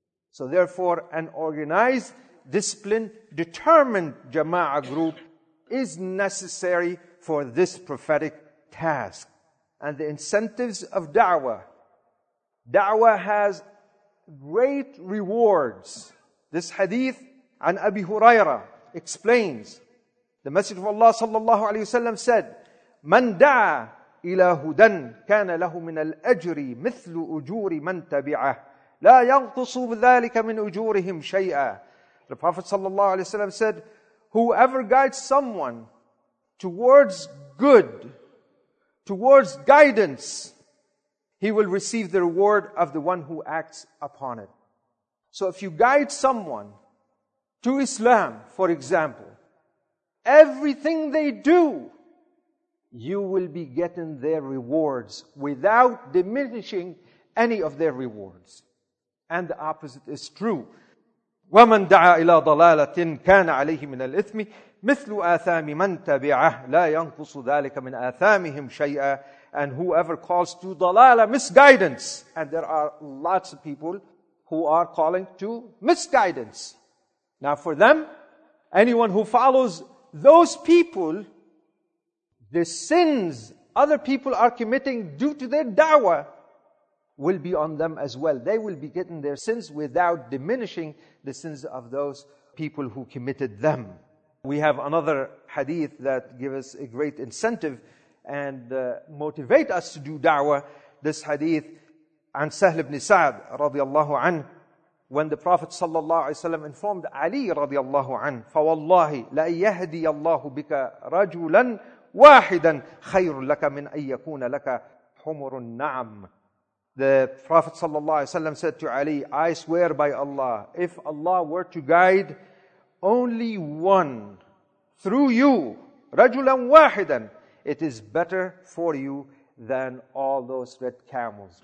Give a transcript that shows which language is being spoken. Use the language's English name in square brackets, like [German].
[English] So therefore, an organized, disciplined, determined jama'ah group is necessary for this prophetic task. And the incentives of da'wah. Da'wah has great rewards. This hadith [Arabic] عن أبي هريرة [English] explains, the Messenger of Allah [Arabic] صلى الله عليه وسلم said, من دعا إلى هدى كان له من الأجر مثل أجور من تبعه لا ينقص ذلك من أجورهم شيئا. [English] The Prophet [Arabic] صلى الله عليه وسلم [English] said, whoever guides someone towards good, towards guidance, he will receive the reward of the one who acts upon it. So if you guide someone to Islam, for example, everything they do, you will be getting their rewards without diminishing any of their rewards. And the opposite is true. [Arabic] ومن دعا إلى ضلالة كان عليه من الإثم مثل آثام من تبعه لا ينقص ذلك من آثامهم شيئا. [English] And whoever calls to dalala, misguidance, and there are lots of people who are calling to misguidance. Now for them, anyone who follows those people, the sins other people are committing due to their da'wah will be on them as well. They will be getting their sins without diminishing the sins of those people who committed them. We have another hadith that gives us a great incentive and motivate us to do da'wah. This hadith, [Arabic] عن سهل بن سعد رضي الله عنه, [English] when the Prophet صلى الله عليه وسلم informed Ali [Arabic] رضي الله عنه, فوالله لأن يهدي الله بك رجلا واحدا خير لك من أن يكون لك حمر النعم. [English] The Prophet [Arabic] صلى الله عليه وسلم [English] said to Ali, I swear by Allah, if Allah were to guide only one through you, [Arabic] رجلا واحدا, [English] it is better for you than all those red camels.